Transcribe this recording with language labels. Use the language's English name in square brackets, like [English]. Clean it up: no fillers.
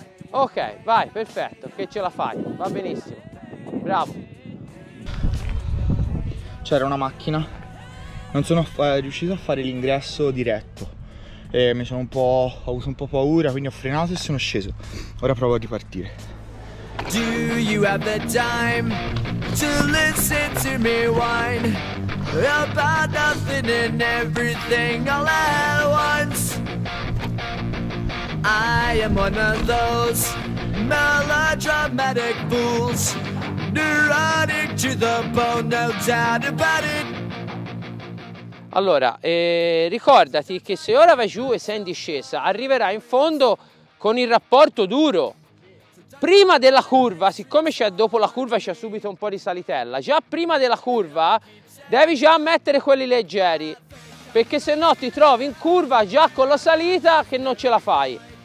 [Italian] Ok, vai, perfetto, che ce la fai, va benissimo, bravo. C'era una macchina, non sono riuscito a fare l'ingresso diretto e mi sono un po', ho avuto un po' paura, quindi ho frenato e sono sceso. Ora provo a ripartire. [English] Do you have the time to listen to me whine about nothing and everything all at once? I am one of those melodramatic fools, neurotic to the bone, no doubt about it. [Italian] Allora, ricordati che se ora vai giù e sei in discesa, arriverai in fondo con il rapporto duro. Prima della curva, siccome c'è dopo la curva c'è subito un po' di salitella, già prima della curva devi già mettere quelli leggeri, perché se no ti trovi in curva già con la salita che non ce la fai.